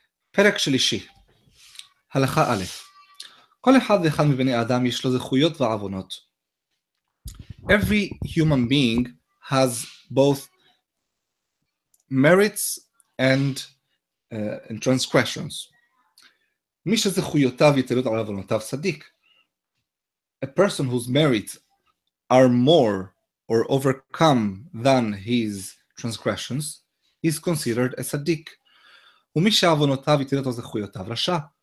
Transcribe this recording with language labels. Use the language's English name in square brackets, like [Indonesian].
[Hebrew] פרק שלישי, הלכה א', כל אחד ואחד מבני אדם יש לו זכויות ועוונות. [English] Every human being has both merits and transgressions. [Hebrew] מי שזכויותיו יתלות על עוונותיו צדיק. [English] A person whose merits are more or overcome than his transgressions is considered a צדיק. [Hebrew] ומי שעוונותיו יתלות על זכויותיו רשע.